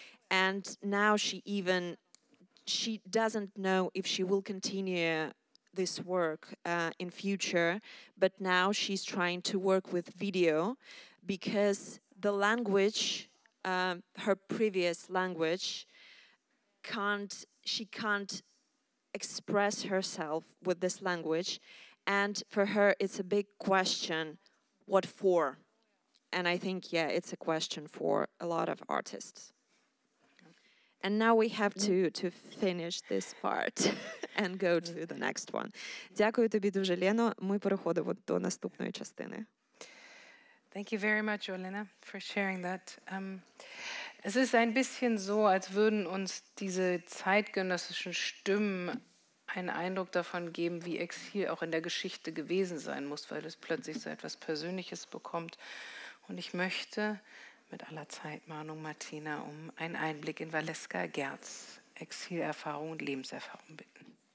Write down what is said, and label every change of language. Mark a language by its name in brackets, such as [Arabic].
[English] And now she doesn't know if she will continue this work in future, but now she's trying to work with video because the language, her previous language, she can't express herself with this language, and for her it's a big question, what for? And I think it's a question for a lot of artists. And now we have to finish this part and go to the next one. [Ukrainian] Дякую тобі дуже, Лено. Ми переходимо до наступної частини. [English] Thank you very much, Olena, for sharing that. [German] Es ist ein bisschen so, als würden uns diese zeitgenössischen Stimmen einen Eindruck davon geben, wie Exil auch in der Geschichte gewesen sein muss, weil es plötzlich so etwas Persönliches bekommt. Und ich möchte mit aller Zeitmahnung Martina um einen Einblick in Valeska Gerts Exilerfahrung und Lebenserfahrung bitten.